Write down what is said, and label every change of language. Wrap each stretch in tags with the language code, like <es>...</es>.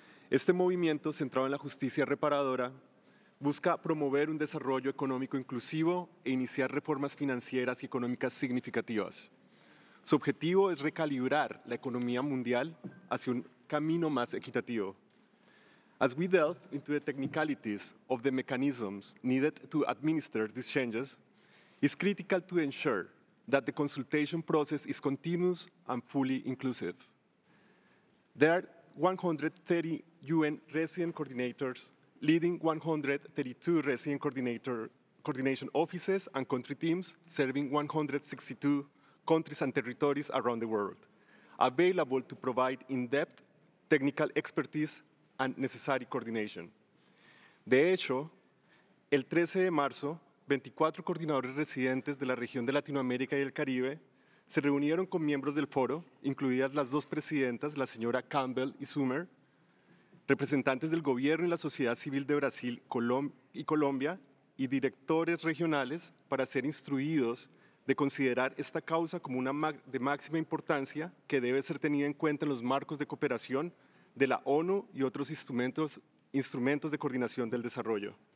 <es>Este movimiento, centrado en la justicia reparadora, busca promover un desarrollo económico inclusivo e iniciar reformas financieras y económicas significativas. Su objetivo es recalibrar la economía mundial hacia un camino más equitativo.</es> <en>As we delve into the technicalities of the mechanisms needed to administer these changes, it's critical to ensure that the consultation process is continuous and fully inclusive. There are 130 UN resident coordinators leading 132 resident coordination offices and country teams serving 162 countries and territories around the world, available to provide in-depth technical expertise and necessary coordination.</en> <es>De hecho, el 13 de marzo, 24 coordinadores residentes de la región de Latinoamérica y el Caribe se reunieron con miembros del foro, incluidas las dos presidentas, la señora Campbell y Sumer, representantes del gobierno y la sociedad civil de Brasil y Colombia, y directores regionales para ser instruidos de considerar esta causa como una de máxima importancia que debe ser tenida en cuenta en los marcos de cooperación de la ONU y otros instrumentos de coordinación del desarrollo.</es>